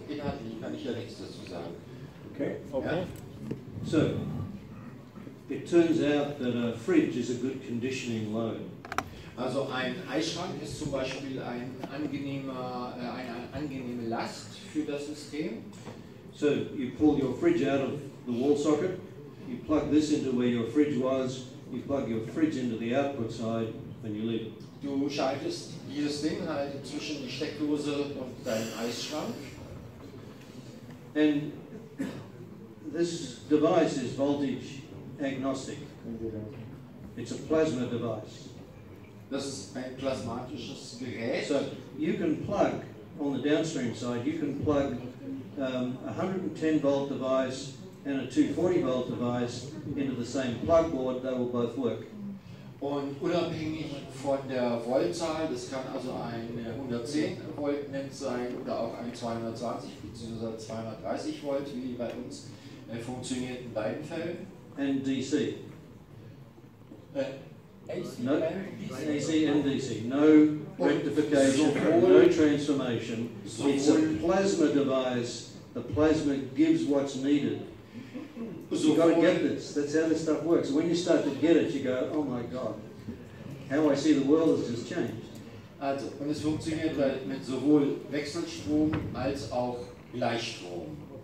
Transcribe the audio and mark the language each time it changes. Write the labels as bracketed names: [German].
[German] Inhaltlich kann ich ja nichts dazu sagen. [English] Okay. Ja? So, it turns out that a fridge is a good conditioning load. [German] Also ein Eisschrank ist zum Beispiel eine angenehme Last für das System. [English] So, you pull your fridge out of the wall socket, you plug this into where your fridge was, you plug your fridge into the output side, and you leave it. [German] Du schaltest dieses Ding halt zwischen die Steckdose und deinen Eisschrank. [English] And this device is voltage agnostic. It's a plasma device. [German] Das ist ein plasmatisches Gerät. [English] So, you can plug, on the downstream side, you can plug a 110 volt device and a 240 volt device into the same plug board, they will both work. [German] Und unabhängig von der Voltzahl, das kann also ein 110 Volt Netz sein oder auch ein 220 bzw. 230 Volt, wie bei uns funktioniert in beiden Fällen. [English] And DC. AC and DC. No rectification, no transformation. It's a plasma device. The plasma gives what's needed. You've got to get this. That's how this stuff works. When you start to get it, you go, oh my God, how I see the world has just changed. [German] Also, und es funktioniert halt mit sowohl Wechselstrom als auch Gleichstrom.